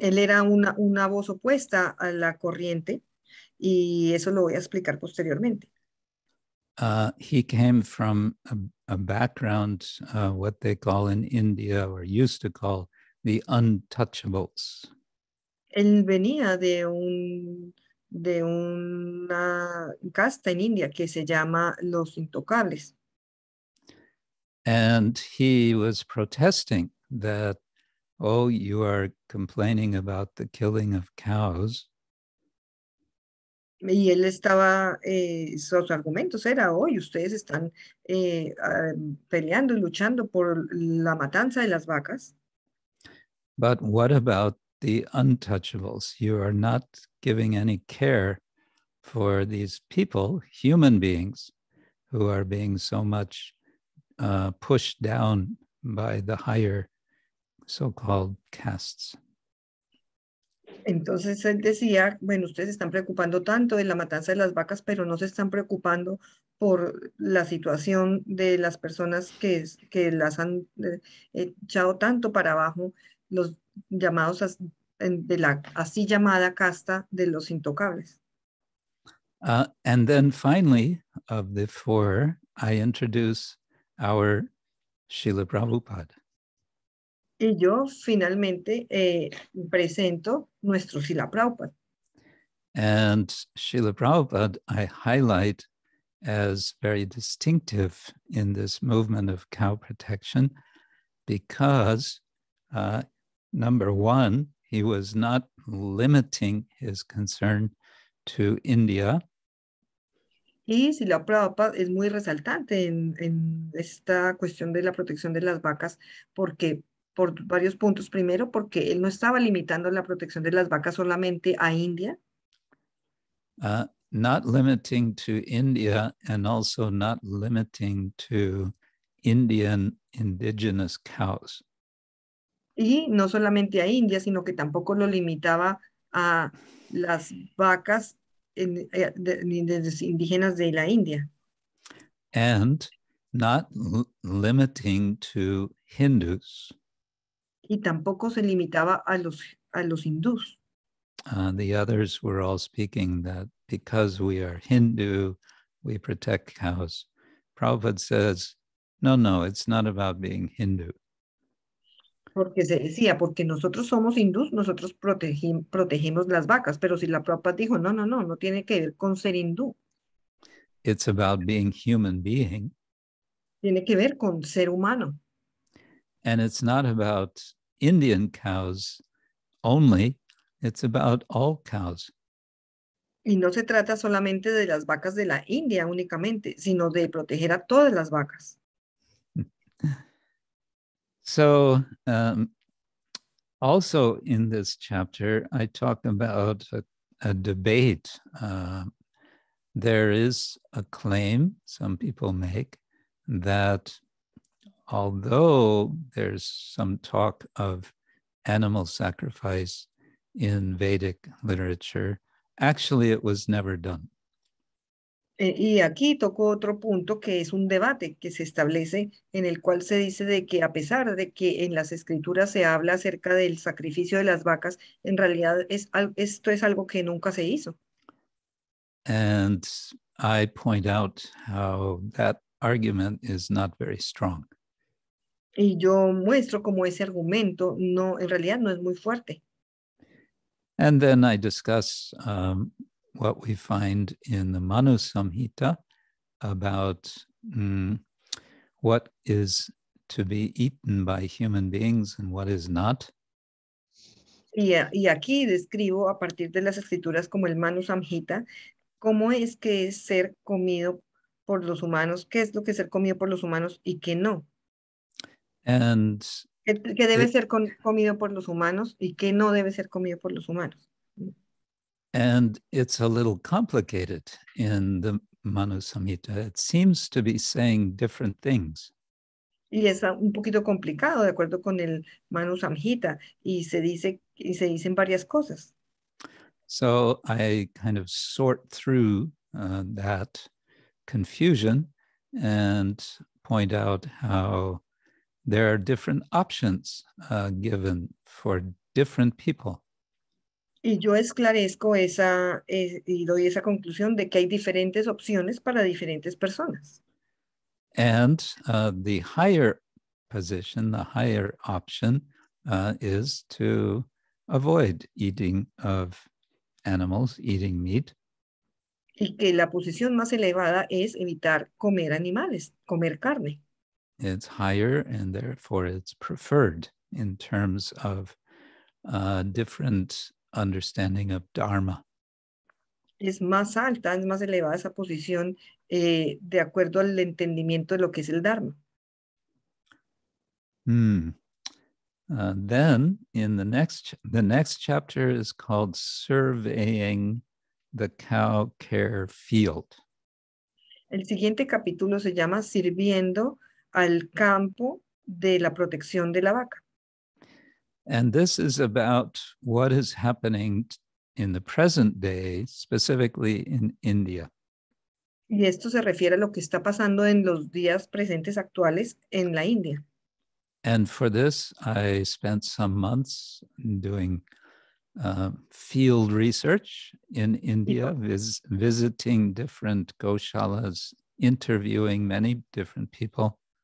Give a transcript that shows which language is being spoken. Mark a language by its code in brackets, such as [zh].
[es] Él era una voz opuesta a la corriente, y eso lo voy a explicar posteriormente. [en] He came from a background, what they call in India, or used to call, the untouchables. [es] Él venía de una casta en India que se llama los intocables. [en] And he was protesting that, oh, you are complaining about the killing of cows. [es] Y él estaba, sus argumentos era, hoy ustedes están peleando y luchando por la matanza de las vacas. [en] But what about the untouchables? You are not giving any care for these people, human beings, who are being so much pushed down by the higher so-called castes. [es] Entonces él decía, bueno, ustedes están preocupando tanto de la matanza de las vacas, pero no se están preocupando por la situación de las personas que las han echado tanto para abajo, los llamados de la así llamada casta de los intocables. [en] And then finally, of the four, I introduce our Srila Prabhupada. [es] Y yo finalmente presento nuestro Srila Prabhupada. [en] And Srila Prabhupada I highlight as very distinctive in this movement of cow protection because, number one, he was not limiting his concern to India. [es] Y Srila Prabhupada es muy resaltante en esta cuestión de la protección de las vacas porque por varios puntos. Primero, porque él no estaba limitando la protección de las vacas solamente a India. [en] Not limiting to India and also not limiting to Indian indigenous cows. [es] Y no solamente a India, sino que tampoco lo limitaba a las vacas indígenas de la India. [en] And not limiting to Hindus. [es] Y tampoco se limitaba a los hindús. [en] The others were all speaking that because we are Hindu, we protect cows. Prabhupada says, no, it's not about being Hindu. [es] Porque se decía, porque nosotros somos hindús, nosotros protegemos las vacas, pero si la Prabhupada dijo, no tiene que ver con ser hindú. [en] It's about being human being. [es] Tiene que ver con ser humano. [en] And it's not about Indian cows only, it's about all cows. [es] Y no se trata solamente de las vacas de la India únicamente, sino de proteger a todas las vacas. [en] So, also in this chapter, I talk about a debate. There is a claim some people make that although there's some talk of animal sacrifice in Vedic literature, actually it was never done. [es] Y aquí toco otro punto que es un debate que se establece en el cual se dice de que a pesar de que en las escrituras se habla acerca del sacrificio de las vacas, en realidad esto es algo que nunca se hizo. [en] And I point out how that argument is not very strong. [es] Y yo muestro cómo ese argumento no, en realidad no es muy fuerte. [en] And then I discuss what we find in the Manu Samhita about what is to be eaten by human beings and what is not. [es] Y aquí describo a partir de las escrituras como el Manu Samhita, cómo es que es ser comido por los humanos, qué es lo que es ser comido por los humanos y qué no. [en] And [es] qué debe ser comido por los humanos y qué no debe ser comido por los humanos. [en] And it's a little complicated in the Manu Samhita. It seems to be saying different things. [es] Y es un poquito complicado de acuerdo con el Manu Samhita y se dicen varias cosas. [en] So I kind of sort through that confusion and point out how there are different options given for different people. [es] Y yo esclarezco y doy esa conclusión de que hay diferentes opciones para diferentes personas. [en] And the higher position, the higher option is to avoid eating of animals, eating meat. [es] Y que la posición más elevada es evitar comer animales, comer carne. [en] It's higher and therefore it's preferred in terms of different understanding of dharma. [es] Es más alta, es más elevada esa posición de acuerdo al entendimiento de lo que es el dharma. [en] Then in the next chapter is called Surveying the Cow Care Field. [es] El siguiente capítulo se llama Sirviendo al campo de la protección de la vaca. [en] And this is about what is happening in the present day, specifically in India. [es] Y esto se refiere a lo que está pasando en los días presentes actuales en la India. [en] And for this, I spent some months doing field research in India, visiting different goshalas, interviewing many different people.